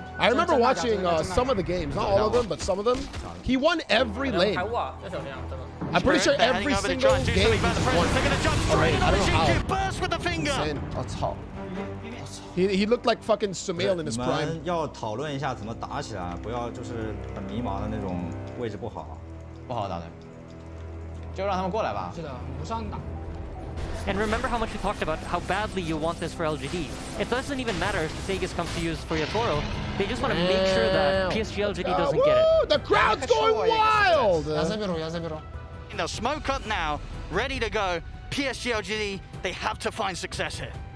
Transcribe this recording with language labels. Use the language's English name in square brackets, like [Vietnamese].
[English] I remember watching some of the games, not all of them, but some of them. He won every lane. I'm pretty sure every single game he's won. He looked like fucking Sumail in his prime. [Chinese] 要讨论一下怎么打起来，不要就是很迷茫的那种位置不好，不好打的，就让他们过来吧。是的，无伤打。 [English] And remember how much we talked about how badly you want this for LGD. It doesn't even matter if Vegas comes to use for Yatoro. They just want to make sure that PSG LGD doesn't get it. The crowd's going wild! And they'll smoke up now, ready to go. PSG LGD, they have to find success here.